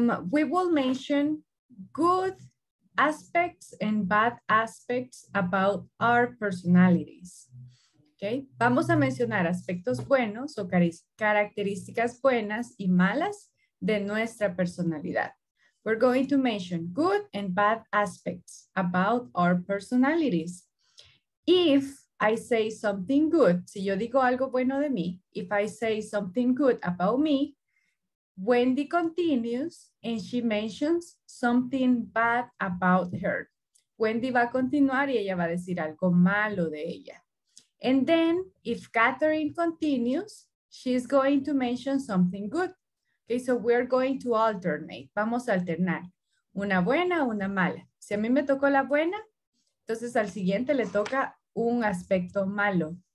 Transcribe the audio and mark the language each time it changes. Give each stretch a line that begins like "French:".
English: We will mention good aspects and bad aspects about our personalities. Okay.
Spanish: Vamos a mencionar aspectos buenos o características buenas y malas de nuestra personalidad.
English: We're going to mention good and bad aspects about our personalities. If I say something good,
Spanish: si yo digo algo bueno de mí,
English: if I say something good about me, Wendy continues and she mentions something bad about her.
Spanish: Wendy va a continuar y ella va a decir algo malo de ella.
English: And then if Catherine continues, she's going to mention something good. Okay, so we're going to alternate.
Spanish: Vamos a alternar. Una buena, una mala. Si a mí me tocó la buena, entonces al siguiente le toca un aspecto malo.